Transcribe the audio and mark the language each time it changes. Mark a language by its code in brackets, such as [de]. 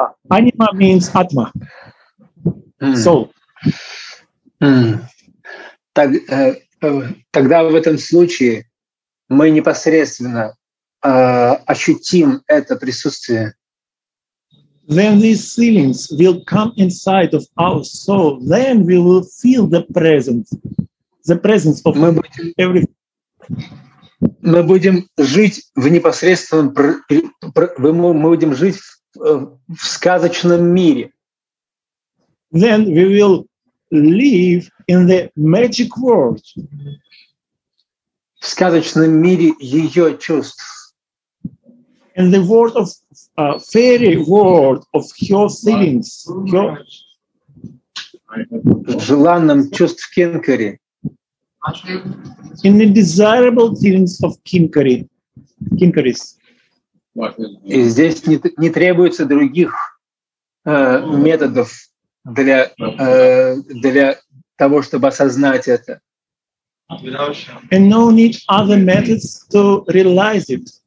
[en] Анима means атма. Soul. [ru] Тогда в этом случае мы непосредственно ощутим это присутствие. [en] Then these feelings will come inside of our soul. Then we will feel the presence of everything. [ru] Мы будем жить в непосредственном, мы будем жить в сказочном мире. [en] Then we will live in the magic world. [ru] В сказочном мире ее чувств. [en] In the world of fairy world of her feelings. Her... [ru] В желанном чувств Кинкари. [en] In the desirable feelings of Kinkari, Kinkaris. [ru] И здесь не требуется других методов для того, чтобы осознать это. [en] And no need other methods to realize it.